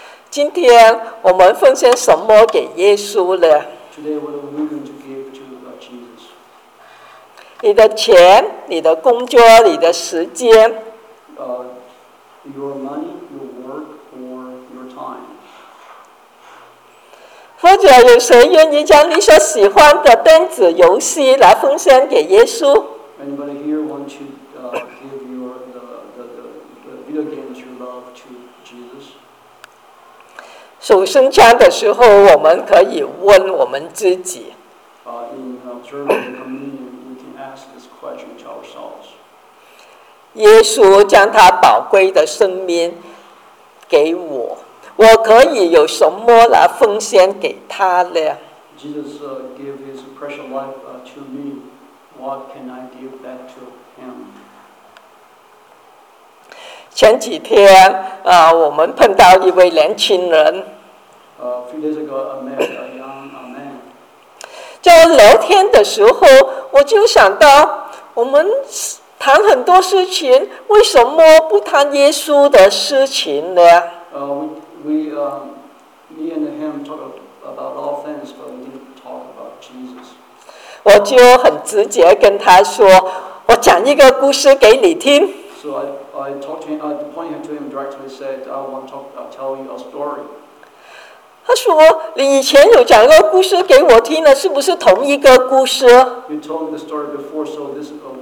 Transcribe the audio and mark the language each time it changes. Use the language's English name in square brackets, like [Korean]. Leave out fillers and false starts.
[Chinese] 今天我们奉献什么给耶稣呢？ [English] Today, what are we going to give to Jesus? [Chinese] 你的钱、你的工作、你的时间。 [English] Your money, your work, or your time. [Chinese] 或者有谁愿意将你所喜欢的电子游戏来奉献给耶稣？ [English] Anybody here want to give your the video games you love to Jesus? [Chinese] 手伸枪的时候，我们可以问我们自己。 [English] In observing the communion, we can ask this question to ourselves. [Chinese] 耶稣将他宝贵的生命给我，我可以有什么来奉献给他呢？ [English] Jesus gave his precious life to me. What can I give back to him? [Chinese] 前几天我们碰到一位年轻人。 [English] A few days ago, I met a young man. [Chinese] 在聊天的时候，我就想到我们。谈很多事情，为什么不谈耶稣的事情呢？ [English] me and him talk about all things, but we didn't talk about Jesus. [Chinese] 我就很直接跟他说，我讲一个故事给你听。 [English] So I talked to him, pointed to him directly, said, I want to tell you a story. [Chinese] 他说，你以前有讲过故事给我听的，是不是同一个故事？ [English] You told me the story before, so this.